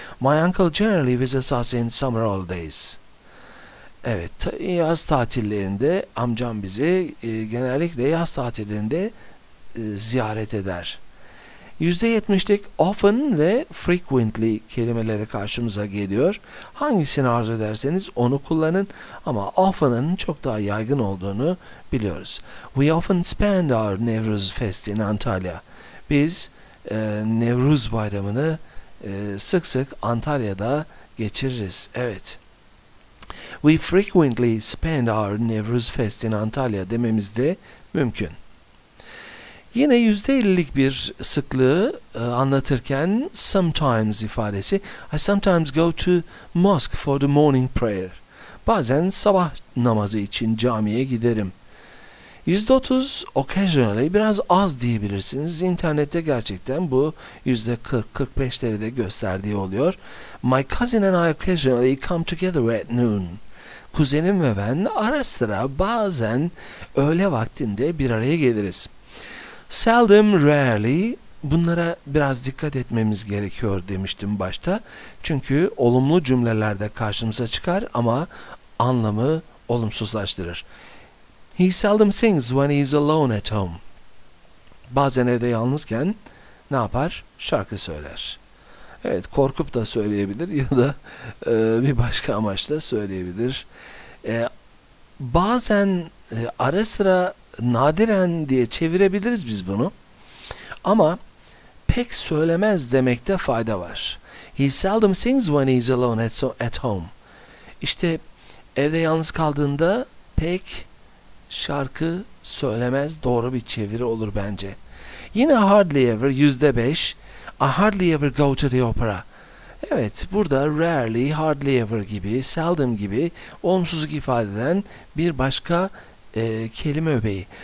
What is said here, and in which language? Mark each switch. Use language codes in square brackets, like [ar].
[en] My uncle generally visits us in summer holidays. [tr] Evet, yaz tatillerinde amcam bizi genellikle yaz tatillerinde ziyaret eder. %70'lik often ve frequently kelimeleri karşımıza geliyor. Hangisini arzu ederseniz onu kullanın ama often'ın çok daha yaygın olduğunu biliyoruz. [en] We often spend our Nevruz Fest in Antalya. [tr] Biz Nevruz Bayramı'nı sık sık Antalya'da geçiririz. Evet. [en] We frequently spend our Nevruz Fest in Antalya [tr] dememiz de mümkün. Yine %50'lik bir sıklığı anlatırken sometimes ifadesi, [en] I sometimes go to mosque for the morning prayer. [tr] Bazen sabah namazı için camiye giderim. %30 occasionally biraz az diyebilirsiniz. İnternette gerçekten bu %40-45'leri de gösterdiği oluyor. [en] My cousin and I occasionally come together at noon. [tr] Kuzenim ve ben ara sıra bazen öğle vaktinde bir araya geliriz. Seldom, rarely, bunlara biraz dikkat etmemiz gerekiyor demiştim başta. Çünkü olumlu cümlelerde karşımıza çıkar ama anlamı olumsuzlaştırır. [en] He seldom sings when he is alone at home. [tr] Bazen evde yalnızken ne yapar? Şarkı söyler. Evet, korkup da söyleyebilir ya da bir başka amaçla söyleyebilir. Bazen ara sıra, nadiren diye çevirebiliriz biz bunu. Ama pek söylemez demekte fayda var. [en] He seldom sings when he's alone at home. [tr] İşte evde yalnız kaldığında pek şarkı söylemez, doğru bir çeviri olur bence. [en] Yine hardly ever, %5. I hardly ever go to the opera. [tr] Evet, burada rarely, hardly ever gibi, seldom gibi olumsuzluk ifade eden bir başka kelime öbeği.